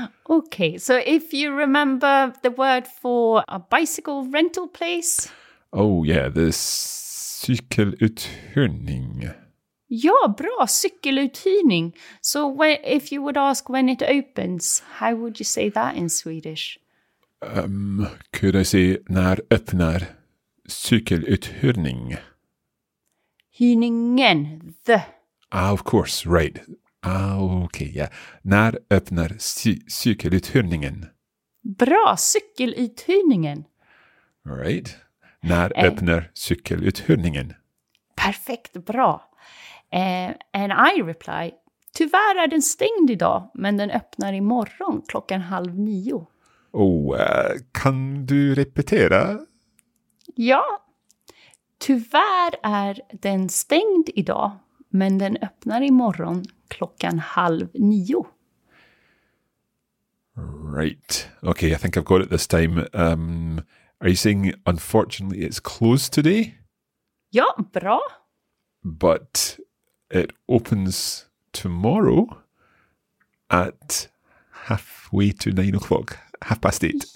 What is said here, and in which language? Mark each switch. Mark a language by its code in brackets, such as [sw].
[en] Okay, so if you remember the word for a bicycle rental place. Oh yeah, the cykeluthyrning. [sv] Ja, bra. Cykeluthyrning. [en] So if you would ask when it opens, how would you say that in Swedish? Could I say [sv] när öppnar cykeluthyrning? Hyrningen, the. [en] Ah, of course, right. Okay, yeah. [sv] När öppnar cykeluthyrningen? Bra, cykeluthyrningen. [en] Right. [sv] När öppnar cykeluthyrningen? Perfekt, bra. [en] And I reply, [sv] tyvärr är den stängd idag, men den öppnar imorgon klockan 8:30. Oh, kan du repetera? Ja, tyvärr är den stängd idag, men den öppnar imorgon klockan 8:30. [en] Right, okay, I think I've got it this time. Are you saying, unfortunately, it's closed today? [sv] Ja, bra. [en] But it opens tomorrow at 9:30, 8:30.